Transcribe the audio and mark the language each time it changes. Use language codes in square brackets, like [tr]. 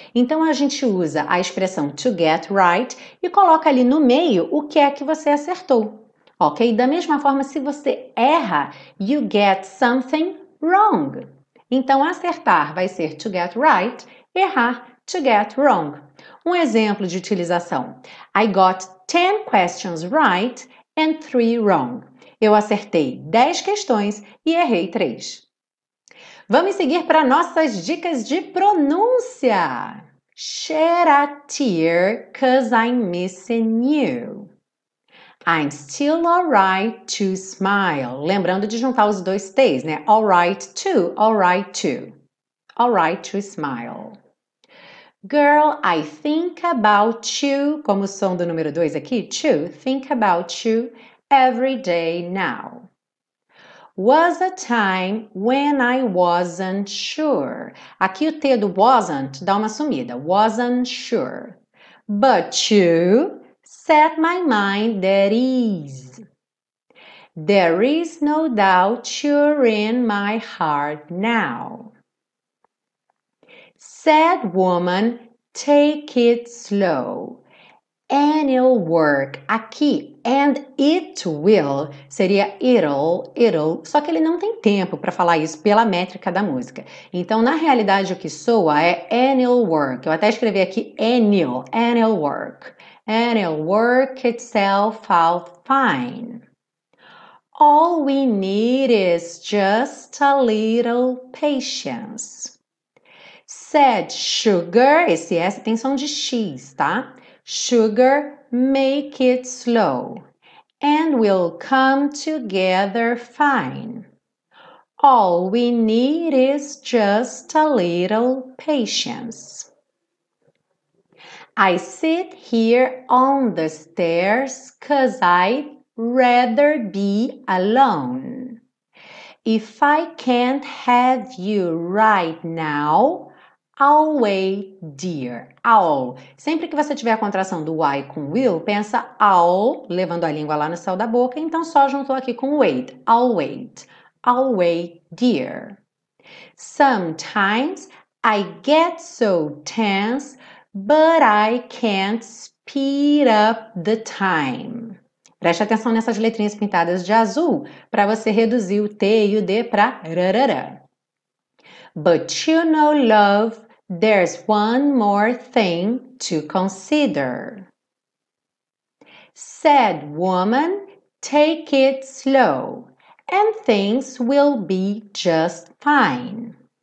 [pt] Então a gente usa a expressão [en] to get right [pt] e coloca ali no meio o que é que você acertou. Ok? Da mesma forma, se você erra, [en] you get something wrong. [pt] Então acertar vai ser [en] to get right, [pt] errar, [en] to get wrong. [pt] Um exemplo de utilização. [en] I got 10 questions right and 3 wrong. [pt] Eu acertei 10 questões e errei 3. Vamos seguir para nossas dicas de pronúncia. [en] Shed a tear, 'cause I'm missing you. I'm still alright to smile. [pt] Lembrando de juntar os dois T's, né? [en] Alright to, alright to. Alright to smile. Girl, I think about you. [pt] Como o som do número 2 aqui, to. [en] Think about you every day now. Was a time when I wasn't sure. [pt] Aqui o T do wasn't dá uma sumida. [en] Wasn't sure. But you set my mind at ease. There is no doubt you're in my heart now. Said woman, take it slow. And it'll work. [pt] Aqui, [en] and it will, [pt] seria it'll, só que ele não tem tempo para falar isso pela métrica da música. Então, na realidade, o que soa é [en] and it'll work. [pt] Eu até escrevi aqui and it'll work. [en] And it'll work itself out fine. All we need is just a little patience. Said sugar, [pt] esse S tem som de X, tá? [en] Sugar, make it slow, and we'll come together fine. All we need is just a little patience. I sit here on the stairs, 'cause I'd rather be alone. If I can't have you right now, I'll wait, dear. I'll. [pt] Sempre que você tiver a contração do I com will, pensa I'll, levando a língua lá no céu da boca. Então, só juntou aqui com wait. [en] I'll wait. I'll wait, dear. Sometimes I get so tense, but I can't speed up the time. [pt] Preste atenção nessas letrinhas pintadas de azul para você reduzir o T e o D para rarara. [en] But you know, love, there's one more thing to consider. Said woman, take it slow, and things will be just fine.